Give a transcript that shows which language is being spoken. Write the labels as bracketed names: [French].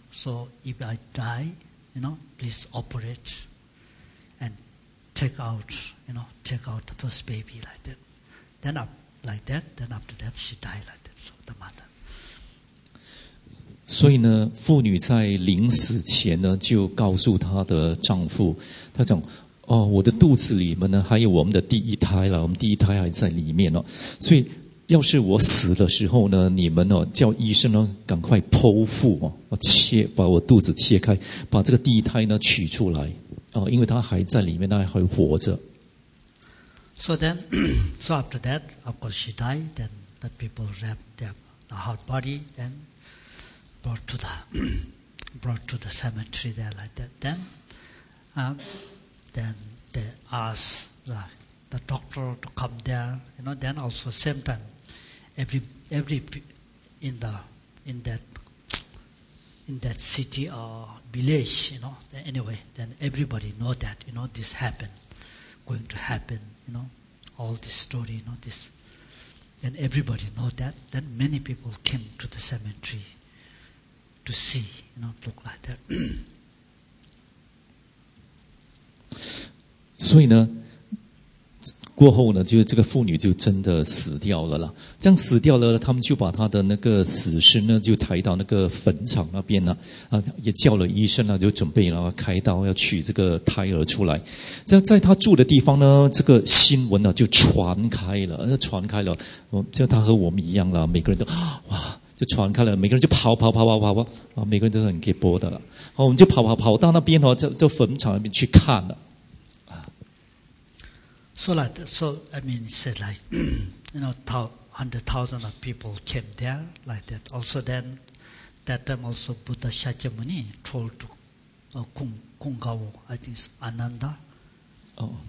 [English] So, if I die, you know, please operate and take out the first baby like that. Then, like that, then after that, she died like that. So, the mother. [Chinese] 所以呢，妇女在临死前呢，就告诉她的丈夫，她讲：“哦，我的肚子里面呢，还有我们的第一胎了，我们第一胎还在里面哦。所以，要是我死的时候呢，你们哦，叫医生呢，赶快剖腹哦，把我肚子切开，把这个第一胎呢取出来哦，因为他还在里面，他还活着。” [English] So then, so after that, of course she died. Then the people wrapped the hot body and brought to the brought to the cemetery there like that. Then they asked the doctor to come there. You know, then also same time, every in that city or village, you know, anyway, then everybody know that, you know, this happened, going to happen, you know, all this story, you know, this. Then everybody know that. Then many people came to the cemetery to see, you know, look like that. [Chinese] 所以呢, 过后呢, 就这个妇女就真的死掉了啦。这样死掉了, 他们就把她的那个死尸呢, 就抬到那个坟场那边啊, 也叫了医生啊, 就准备了, 开刀, 要取这个胎儿出来。在她住的地方呢, 这个新闻呢, 就传开了, 传开了, 就她和我们一样啦, 每个人都, 哇, 就传开了, 每个人就跑跑跑跑跑跑, 每个人都很给播的了。我们就跑跑跑, 到那边, 就坟场那边去看了。 [English] So like, so I mean, said like, you know, 100,000 of people came there like that. Also then, that time also Buddha Shakyamuni told to Kungawa, I think it's Ananda. Oh.